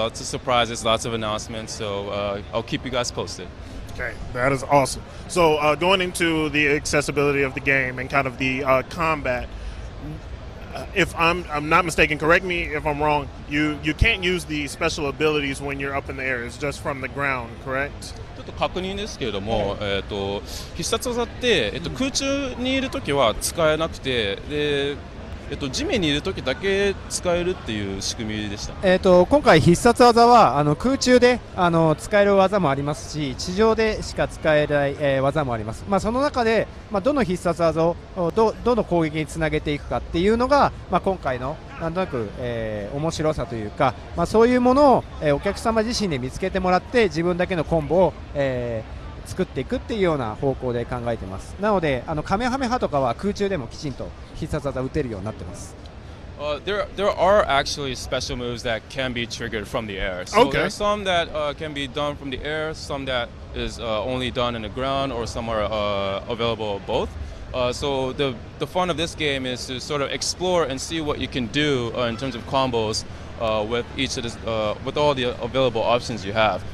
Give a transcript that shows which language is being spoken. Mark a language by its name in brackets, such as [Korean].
[English] Lots of surprises, lots of announcements. So I'll keep you guys posted. Okay, that is awesome. So going into the accessibility of the game and kind of the combat, if I'm not mistaken, correct me if I'm wrong, you can't use the special abilities when you're up in the air. It's just from the ground, correct? [Japanese] 確認ですけれども、必殺技って、空中にいるときは使えなくて、で地面にいるときだけ使えるっていう仕組みでした。今回必殺技は空中で使える技もありますし、地上でしか使えない、技もあります。まあ、その中で、まあ、どの必殺技をどの攻撃につなげていくかっていうのが、まあ、今回のなんとなく、面白さというか、まあ、そういうものを、お客様自身で見つけてもらって自分だけのコンボを、作っていくっていうような方向で考えてます。なのでカメハメハとかは空中でもきちんと必殺技打てるようになってます。 [English] There are actually special moves that can be triggered from the air. So okay. There are some that can be done from the air, some that is only done in the ground, or some are available both. So the fun of this game is to sort of explore and see what you can do in terms of combos with each of this, with all the available options you have.